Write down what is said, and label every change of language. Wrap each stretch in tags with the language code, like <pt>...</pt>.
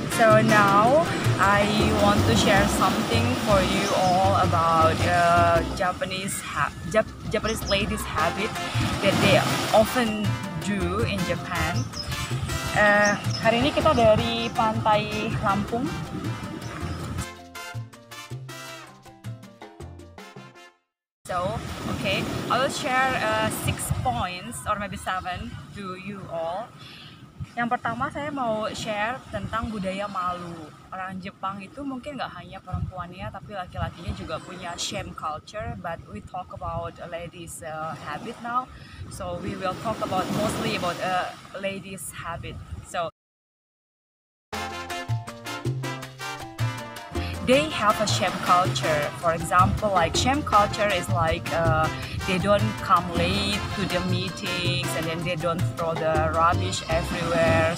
<en>So now I want to share something for you all about Japanese ladies' habit that they often do in Japan.</en> <id>Hari ini kita dari pantai Lampung. So, okay, I will share 6 points or maybe 7 to you all. Yang pertama saya mau share tentang budaya malu. Orang Jepang itu mungkin gak hanya perempuannya, tapi laki-lakinya juga punya shame culture.</id> <en>But we talk about ladies' habit now. So we will talk about mostly about ladies' habit. So they have a shame culture. For example, like shame culture is like they don't come late to the meetings, and then they don't throw the rubbish everywhere.</en>